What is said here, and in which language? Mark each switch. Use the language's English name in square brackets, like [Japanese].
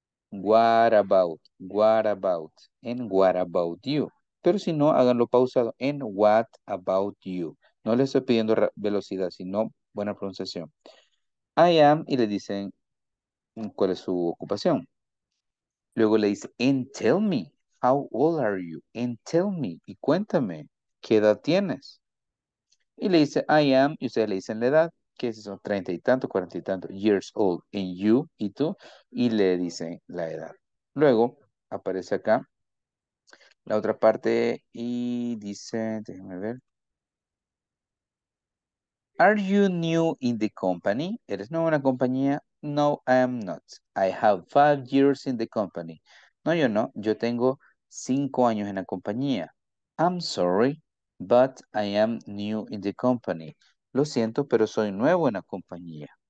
[English] What about? What about? And what about you? [Spanish] Pero si no, háganlo pausado. [English] And what about you? [Spanish] No le estoy pidiendo velocidad, sino buena pronunciación. [English] I am, [Spanish] y le dicen cuál es su ocupación. Luego le dice, [English] and tell me, how old are you? And tell me, [Spanish] y cuéntame, ¿qué edad tienes? Y le dice, [English] I am, [Spanish] y ustedes le dicen la edad, que es eso, 30 y tanto, 40 y tanto, [English] years old, and you, [Spanish] y tú, y le dicen la edad. Luego aparece acá la otra parte y dice, déjenme ver. [English] Are you new in the company? [Spanish] ¿Eres nuevo en la compañía? [English] No, I am not. I have 5 years in the company. [Spanish] No, yo no. Yo tengo 5 años en la compañía. [English] I'm sorry, but I am new in the company. [Spanish] Lo siento, pero soy nuevo en la compañía.